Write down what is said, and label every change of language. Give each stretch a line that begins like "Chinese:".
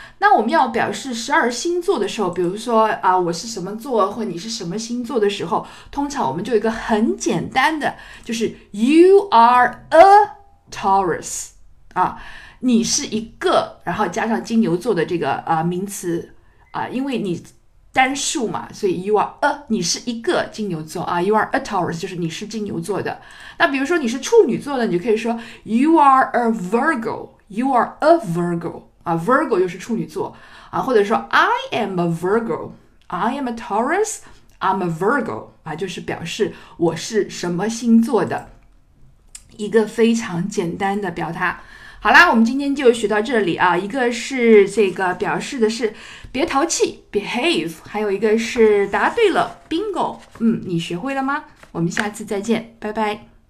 Chinese: 那我们要表示十二星座的时候，比如说啊，我是什么座，或你是什么星座的时候，通常我们就有一个很简单的，就是
English: You are a Taurus
Chinese: 啊，你是一个，然后加上金牛座的这个啊名词啊，因为你单数嘛，所以
English: You are a
Chinese: 你是一个金牛座啊， You are a Taurus 就是你是金牛座的。那比如说你是处女座的，你就可以说
English: You are a Virgo，
Chinese: You are a Virgo。啊 ，Virgo 又是处女座啊，或者说
English: I am a Virgo, I am a Taurus, I'm a Virgo
Chinese: 啊，就是表示我是什么星座的一个非常简单的表达。好啦，我们今天就学到这里啊，一个是这个表示的是别淘气 ，behave， 还有一个是答对了 ，bingo。嗯，你学会了吗？我们下次再见，拜拜。